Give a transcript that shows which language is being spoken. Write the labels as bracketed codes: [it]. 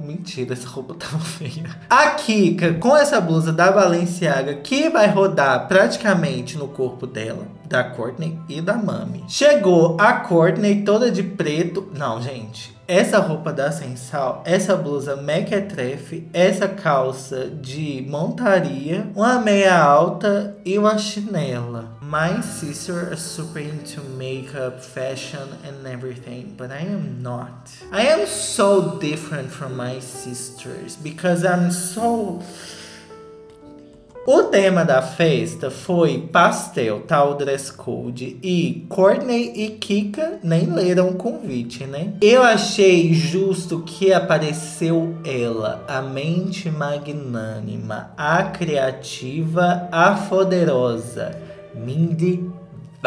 [pt] Mentira, essa roupa tava feia. A Kika com essa blusa da Balenciaga que vai rodar praticamente no corpo dela, da Kourtney e da Mami. Chegou a Kourtney toda de preto. Não, gente. Essa roupa da Sensal, essa blusa mequetrefe, essa calça de montaria, uma meia alta e uma chinela. [en] My sister is super into makeup, fashion and everything, but I am not. I am so different from my sisters, because I'm so... [pt] O tema da festa foi pastel, tal dress code. E Kourtney e Kika nem leram o convite, né? Eu achei justo que apareceu ela, a mente magnânima, a criativa, a poderosa, Mindy B.